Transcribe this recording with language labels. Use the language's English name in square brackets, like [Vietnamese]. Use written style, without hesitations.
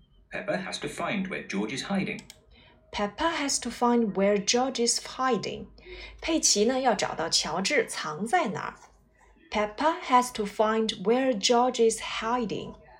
[English] Peppa has to find where George is hiding. Peppa has to find where George is hiding. [Chinese] 佩奇呢，要找到乔治藏在哪儿。 [English] Peppa has to find where George is hiding.